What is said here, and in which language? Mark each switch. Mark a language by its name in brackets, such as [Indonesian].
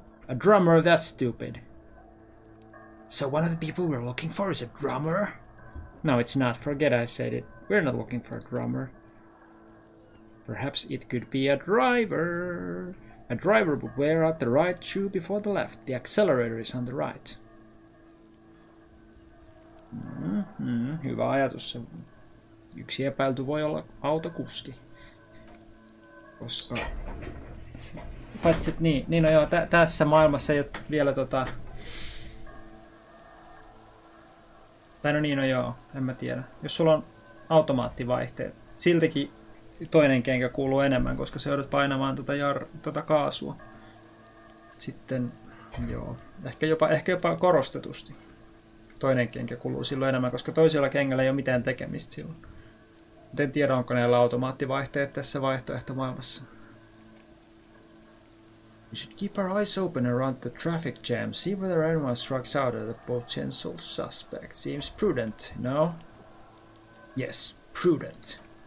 [English] A drummer, that's stupid. So one of the people we're looking for is a drummer? No, it's not. Forget I said it. We're not looking for a drummer. Perhaps it could be a driver. A driver would wear out the right shoe before the left. The accelerator is on the right. [Finnish] Hyvä ajatus. Yksi epäilty voi olla autokuski. Koska... Paitsi, niin no joo, tässä maailmassa ei ole vielä tota... Tai no niin, no joo, en mä tiedä. Jos sulla on automaattivaihteet, siltikin toinen kenkä kuuluu enemmän, koska se joudut painamaan tota kaasua. Sitten, joo, ehkä jopa korostetusti. toinen kenkä kuluu silloin enemmän, koska toisella kengällä ei ole mitään tekemistä silloin. Mutta en tiedä, onko näillä automaattivaihteet tässä vaihtoehtomaailmassa. [English] We should keep our eyes open around the traffic jam. See whether anyone strikes out at the potential suspect. Seems prudent, no? Yes, prudent.